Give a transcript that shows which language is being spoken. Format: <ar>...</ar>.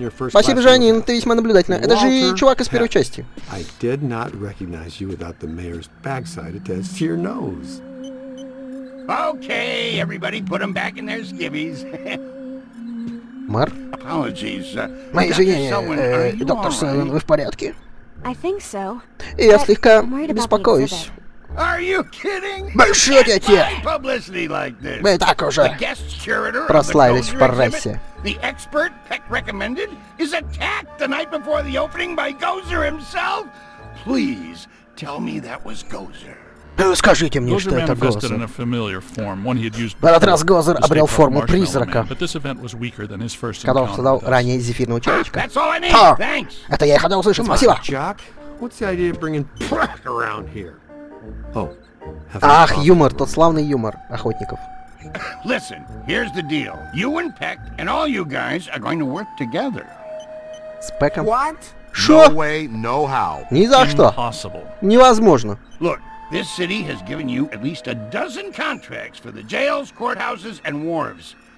<ru>Спасибо, Джанин, ты весьма наблюдательна. Это же чувак из первой части.</ru> <en>I did not recognize you without the mayor's backside attached to your nose. Okay, everybody put them back in their skivvies.</en> <ru>Мэр? Мои извинения, доктор Сэлен, вы в порядке?</ru> <en>I think so.</en> <ru>Я слегка беспокоюсь.</ru> <en>Are you kidding?</en> <ru>Шутите?</ru> <en>Publicity like this.</en> <ru>Мы так уже прославились в прессе.</ru> <en>The expert Peck recommended is attacked the night before the opening by Gozer himself. Please tell me that was Gozer.</en> <ru>Скажите мне, что это Gozer. В этот раз Gozer обрел форму призрака, когда он создал ранее зефирного человечка. Это я и хотел услышать. Спасибо.</ru> <en>Jack, what's the idea of bringing Peck around here?</en> <ru>Ах, юмор, тот славный юмор охотников.</ru> <en>Listen, here's the deal. You and Peck and all you guys are going to work together.</en> <ru>С Пеком?</ru> <en>What?</en> <ru>Что?</ru> <en>No way, no how.</en> <ru>Ни за что.</ru> <en>Impossible.</en> <ru>Невозможно.</ru> <en>Look, this city has given you at least a dozen contracts for the jails, courthouses and wharves.</en>